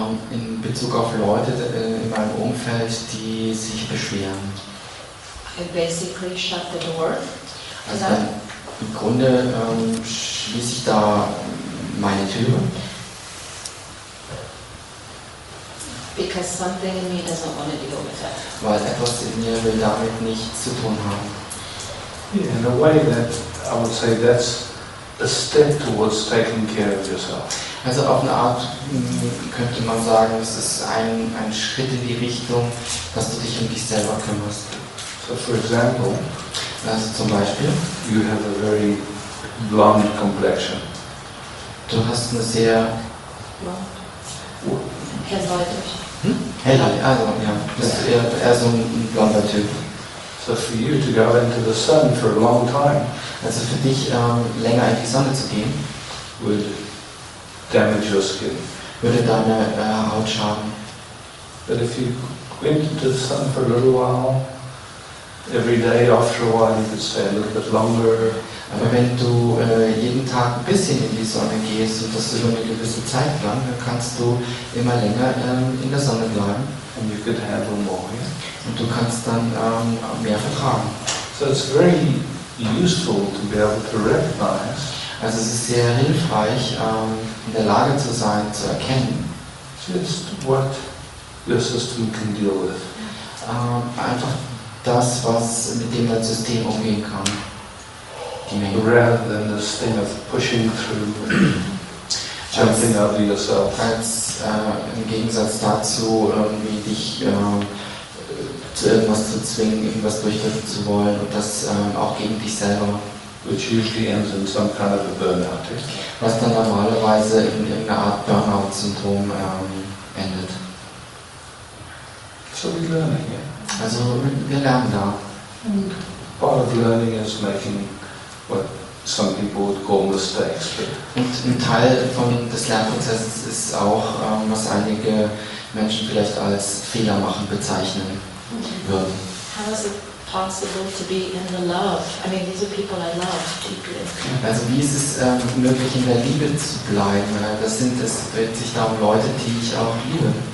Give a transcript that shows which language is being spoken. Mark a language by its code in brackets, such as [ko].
[de] In Bezug auf Leute in meinem Umfeld, die sich beschweren. [en] I basically shut the door. [de] Also dann, im Grunde schließe ich da meine Tür. [en] Because something in me doesn't want to deal with it. [de] Weil etwas in mir will damit nichts zu tun haben. [en] Yeah, in a way that I would say that's a step towards taking care of yourself. [de] Also auf eine Art könnte man sagen, es ist ein Schritt in die Richtung, dass du dich um dich selber kümmerst. [en] So for example. [de] Also zum Beispiel, [en] you have a very blonde complexion. [de] Du hast eine sehr hellhäutig. Hell, also ja, bist eher so ein blonder Typ. [en] So for you to go into the sun for a long time. [de] Also für dich länger in die Sonne zu gehen, [en] would damage your skin. [de] Würde deine Haut schaden. [en] But if you went into the sun for a little while. Every day after a while you could stay a little bit longer. [de] Aber wenn du jeden Tag ein bisschen in die Sonne gehst und das über eine gewisse Zeit lang, dann kannst du immer länger in der Sonne bleiben. [en] And you could handle more, yeah? [de] Und du kannst dann mehr vertragen. [en] So it's very useful to be able to recognize. [de] Also es ist sehr hilfreich, in der Lage zu sein, zu erkennen. [en] Just what your system can deal with. [de] Einfach das, was mit dem das System umgehen kann. Die Menge. [en] Rather than this thing of pushing through, jumping out of yourself. [de] Als im Gegensatz dazu, irgendwie dich zu irgendwas zu zwingen, irgendwas durchsetzen zu wollen und das auch gegen dich selber. [en] Which usually ends in some kind of a burnout. [de] Was dann normalerweise in irgendeiner Art Burnout-Syndrom endet. [en] So we learn it, yeah. [de] Also wir lernen da. [en] Part of learning is making what some people would call mistakes. But [de] und ein Teil von des Lernprozesses ist auch, was einige Menschen vielleicht als Fehler machen bezeichnen würden. [en] How is it possible to be in the love? I mean, these are people I love deeply. [de] Also wie ist es möglich, in der Liebe zu bleiben? Das dreht sich da um Leute, die ich auch liebe.